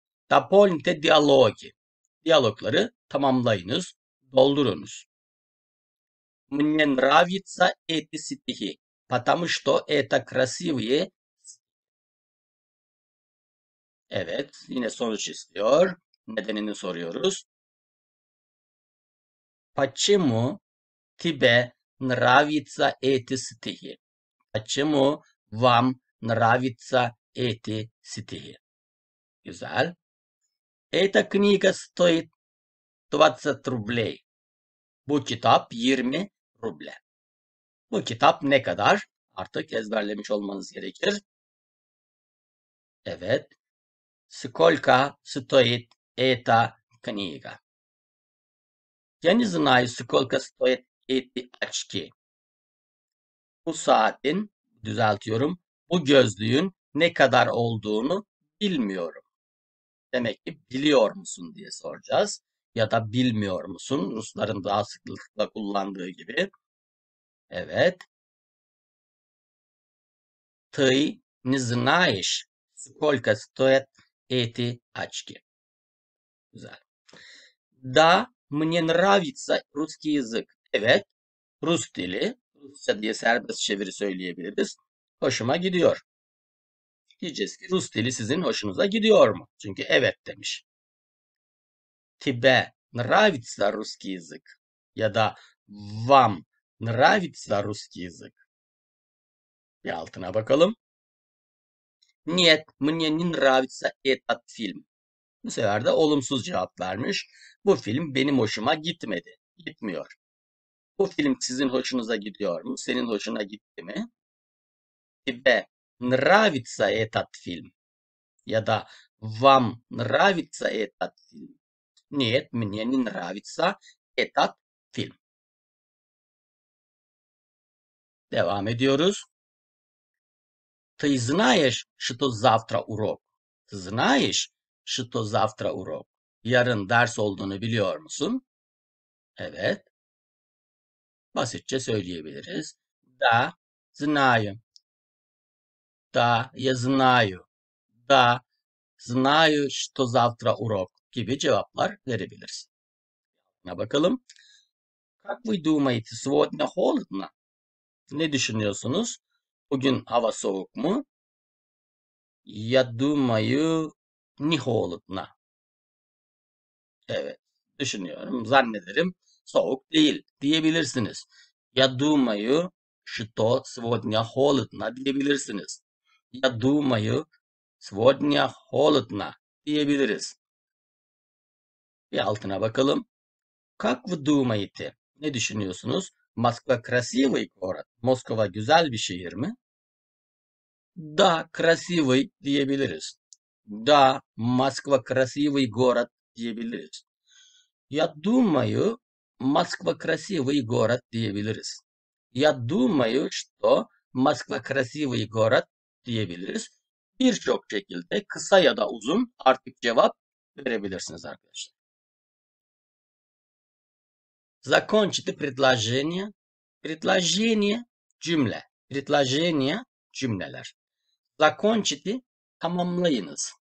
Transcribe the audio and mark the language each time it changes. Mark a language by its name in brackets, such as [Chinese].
[Russian] Dapolnite diyalogi. [Turkish] Diyalogları tamamlayınız, doldurunuz. [Russian] Mne nravitsa eti stihi, patamu što eta krasivye. [Turkish] Evet, yine sonuç istiyor. Nedenini soruyoruz. [Russian] Почему тебе нравится эти стихи? Почему вам нравится эти стихи? [Turkish] Güzel. [Russian] Эта книга стоит 20 рублей. [Turkish] Bu kitap 20 ruble. Bu kitap ne kadar? Artık ezberlemiş olmanız gerekir. Evet. [Russian] Сколько стоит эта книга? Я не знаю, сколько стоит эти очки. [Turkish] Bu saatin, düzeltiyorum, bu gözlüğün ne kadar olduğunu bilmiyorum. Demek ki biliyor musun diye soracağız. Ya da bilmiyor musun? Rusların daha sıklıkla kullandığı gibi. Evet. [Russian] Ты не знаешь, сколько стоит эти очки. [Turkish] Güzel. [Russian] Да, мне нравится русский язык. [Turkish] Evet, Rus dili. Rusça diye serbest çeviri söyleyebiliriz. Hoşuma gidiyor. Diyeceğiz ki Rus dili sizin hoşunuza gidiyor mu? Çünkü evet demiş. [Russian] Тебе нравится русский язык? [Turkish] Ya da [Russian] вам нравится русский язык? [Turkish] Bir altına bakalım. [Russian] Нет, мне не нравится этот фильм. [Turkish] Bu sefer de olumsuz cevap vermiş. Bu film benim hoşuma gitmedi. Gitmiyor. Bu film sizin hoşunuza gidiyor mu? Senin hoşuna gitti mi? [Russian] Тебе нравится этот фильм? [Turkish] Ya da [Russian] вам нравится этот фильм? Нет, мне не нравится этот фильм. [Turkish] Devam ediyoruz. [Russian] Ты знаешь, что завтра урок? Знаешь, что завтра урок? [Turkish] Yarın ders olduğunu biliyor musun? Evet. Basitçe söyleyebiliriz. [Russian] Да, знаю. Да, я знаю. Да, знаю, что завтра урок. [Turkish] Gibi cevaplar verebilirsin. Ne bakalım? [Russian] Как вы думаете, сегодня холодно? [Turkish] Ne düşünüyorsunuz? Bugün hava soğuk mu? [Russian] Я думаю, не холодно. [Turkish] Evet, düşünüyorum, zannederim soğuk değil diyebilirsiniz. [Russian] Я думаю, что сегодня холодно [Turkish] diyebilirsiniz. [Russian] Я думаю, сегодня холодно [Turkish] diyebiliriz. Bir altına bakalım. [Russian] Как вы думаете? [Turkish] Ne düşünüyorsunuz? [Russian] Moskva красивый город. [Turkish] Moskova güzel bir şehir mi? [Russian] Да, красивый [Turkish] diyebiliriz. [Russian] Да, Москва красивый город diyebiliriz. Я думаю, Москва красивый город [Turkish] diyebiliriz. [Russian] Я думаю, что Москва красивый город [Turkish] diyebiliriz. Birçok şekilde kısa ya da uzun artık cevap verebilirsiniz arkadaşlar. Zakończyć predложenie. Cümle. Predложenie cümleler. Zakończyć tamamlayınız.